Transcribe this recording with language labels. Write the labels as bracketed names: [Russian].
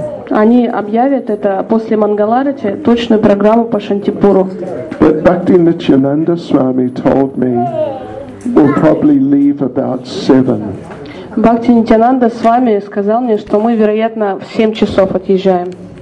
[Russian] Они объявят это после Мангаларати точную программу по Шантипуру. [English] But Bhakti Nityananda Swami told me we'll probably leave about 7. [Russian] Бхакти Нитянанда Свами сказал мне, что мы, вероятно, в 7 часов отъезжаем.